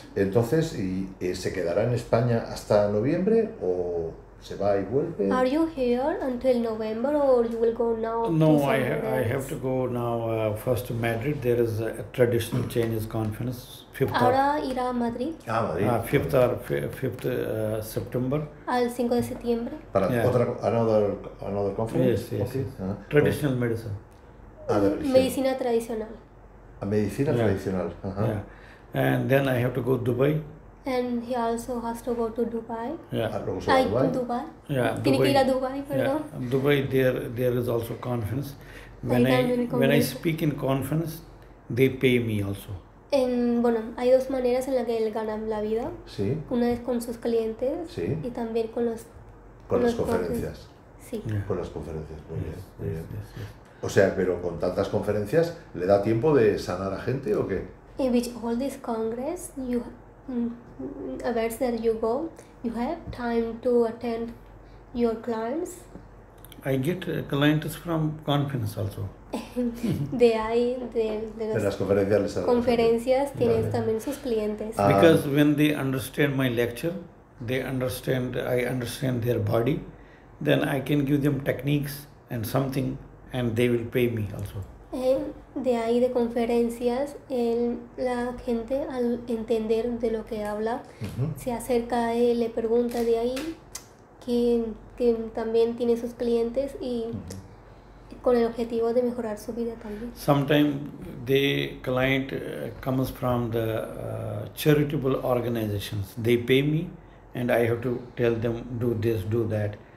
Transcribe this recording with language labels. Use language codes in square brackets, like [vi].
[es] Entonces, ¿se quedará en España hasta noviembre o se va y vuelve? [en] Are you here until November or you will go now? No, I have to go now first to Madrid. There is a traditional Chinese conference. [es] Ahora irá a Madrid. Ah, Madrid. [en] 5th September. [es] Al 5 de septiembre. [en] Para yeah. another conference. Yes, yes. Okay. Yes. Traditional medicine. [es] Medicina tradicional. A medicina yeah. tradicional. Uh-huh. [en] Yeah. And then I have to go to Dubai. And he also has to go to Dubai. Yeah. Dubai. Yeah. [es] Tiene que ir a Dubai, perdón. [en] Dubai, there is also conference. When I speak in conference, they pay me also. [es] Bueno, hay dos maneras en las que él gana la vida. Sí. Una es con sus clientes. Sí. Y también con los... Con las conferencias. Sí. Yeah. Con las conferencias. Muy yes, bien. [en] Yes, yes, yes. [es] O sea, pero con tantas conferencias, ¿le da tiempo de sanar a gente o qué? [en] In which all this congress, you... A verse that you go, you have time to attend your clients. I get clients from conference also. [es] De ahí, de las conferencias, les conferencias tienes vale. también sus clientes. [en] Because when they understand my lecture, they understand, I understand their body, then I can give them techniques and something and they will pay me also. [es] De ahí, de conferencias, la gente al entender de lo que habla, uh-huh. se acerca a él, le pregunta de ahí, que también tiene sus clientes y uh-huh. con el objetivo de mejorar su vida también. [en] Sometimes the client comes from the charitable organizations. They pay me and I have to tell them do this, do that.